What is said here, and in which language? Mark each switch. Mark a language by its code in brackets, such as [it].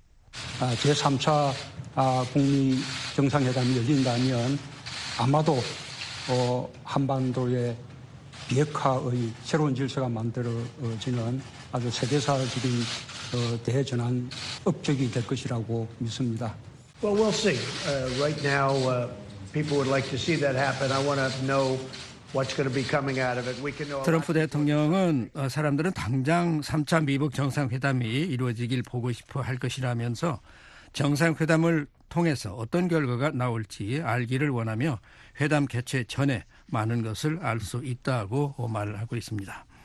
[ko] 제3차 북미 정상회담이 열린다면 아마도 한반도의 비핵화의 새로운 질서가 만들어지는 아주 세계사적인 대전환 업적이 될 것이라고 믿습니다. [en] Well, we'll see. Right now, people would like to see that happen. I want to know what's going to be coming out of it. We can know. [ko] 트럼프 대통령은 사람들은 당장 3차 미북 정상회담이 이루어지길 보고 싶어 할 것이라면서 정상회담을 통해서 어떤 결과가 나올지 알기를 원하며 회담 개최 전에 많은 것을 알 수 있다고 말을 하고 있습니다.